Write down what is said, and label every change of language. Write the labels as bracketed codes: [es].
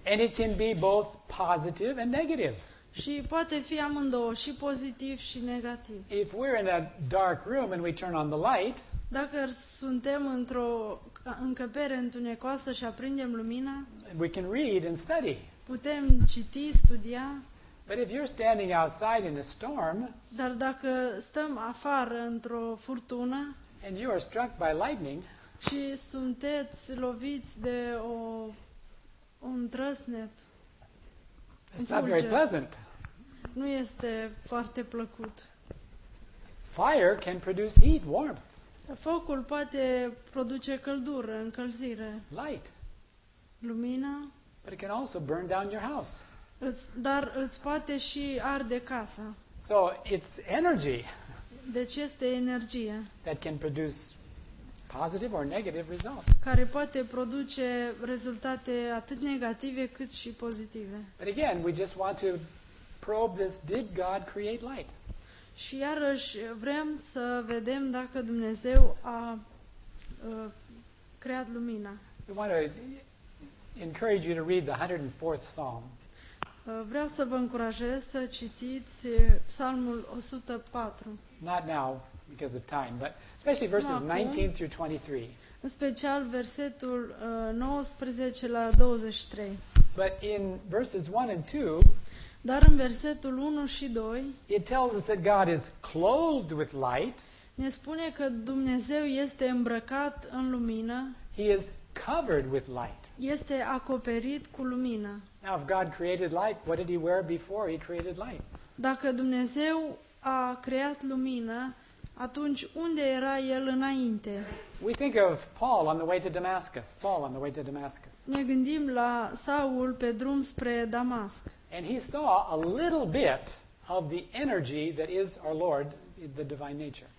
[en] And it can be both positive and negative. [ro] Și poate fi amândouă, și pozitiv și negativ. [en] If we're in a dark room and we turn on the light, [ro] dacă suntem într-o încăpere întunecoasă și aprindem lumina, [en] we can read and study. [ro] Putem citi, studia. [en] But if you're standing outside in a storm, [ro] dar dacă stăm afară într-o furtună, [en] and you are struck by lightning, [ro] și sunteți loviți de un trăsnet, [en] it's not very pleasant. [ro] Nu este foarte plăcut. [en] Fire can produce heat, warmth. [ro] Focul poate produce căldură, încălzire. [en] Light. [ro] Lumina. [en] But it can also burn down your house. [ro] Dar îți poate și arde casa. [en] So it's energy. [ro] Deci este energie. [en] That can produce positive or negative results. [ro] Care poate produce rezultate atât negative cât și pozitive. [en] But again, we just want to probe this: did God create light? [ro] Și iarăși vrem să vedem dacă Dumnezeu a creat lumina. [en] We want to encourage you to read the 104th Psalm. [ro] Vreau să vă încurajez să citiți Psalmul 104. [en] Not now, because of time, but especially verses 19 through 23. [ro] În special versetul 19 la 23. [en] But in verses 1 and 2, [ro] dar în versetul 1 și 2, [en] it tells us that God is clothed with light. [ro] Ne spune că Dumnezeu este îmbrăcat în lumină. [en] He is covered with light. [ro] Este acoperit cu lumină. [en] Now, if God created light, what did he wear before he created light? [ro] Dacă Dumnezeu a creat lumină, atunci unde era el înainte? [en] We think of Paul on the way to Damascus, Saul on the way to Damascus. [ro] Ne gândim la Saul pe drum spre Damasc. [en] And he saw a little bit of the energy that is our Lord, the divine nature.